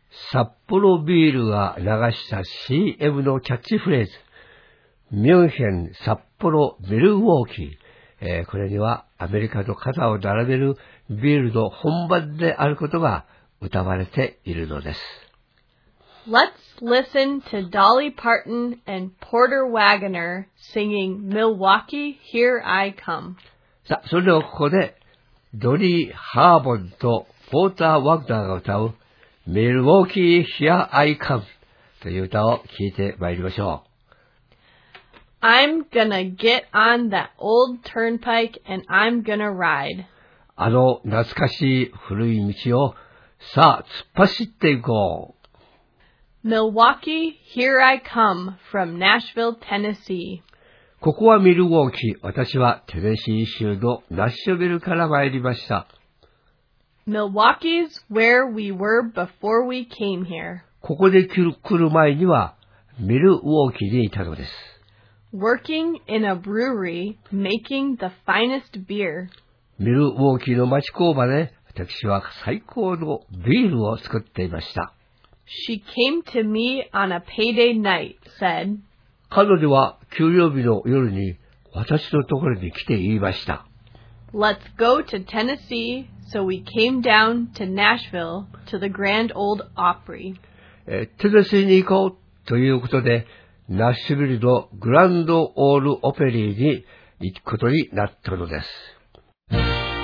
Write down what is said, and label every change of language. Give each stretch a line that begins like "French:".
Japanese: 札幌ビールが流した CM のキャッチフレーズ、ミュンヘン、札幌、ミルウォーキー、これにはアメリカと肩を並べるビールの本番であることが歌われているのです。
English: Let's listen to Dolly Parton and Porter Wagoner singing Milwaukee, Here I Come.
Japanese: さあ、それではここで、ドリー・ハーボンとポーター・ワグナーが歌う Milwaukee, Here I Come という歌を聴いてまいりましょう。
English: I'm gonna get on that old turnpike and I'm gonna ride.
Japanese: あの懐かしい古い道をさあ突っ走っていこう。
English: Milwaukee, here I come from Nashville, Tennessee.
Japanese: ここはミルウォーキー。私はテネシー州のナッシュビルから参りました。
English: Milwaukee's where we were before we came here.
Japanese: ここで来る前にはミルウォーキーにいたのです。
English: Working in a brewery, making the finest beer.
Japanese: ミルウォーキーの町工場で、ね、私は最高のビールを作っていました。
English: She came to me on a payday night, said.
Japanese: 彼女は給料日の夜に私のところに来て言いました。
English: Let's go to Tennessee, so we came down to Nashville to the Grand Old Opry.
Japanese: テネシーに行こうということで、ナッシュビルのグランドオールオペリーに行くことになったのです。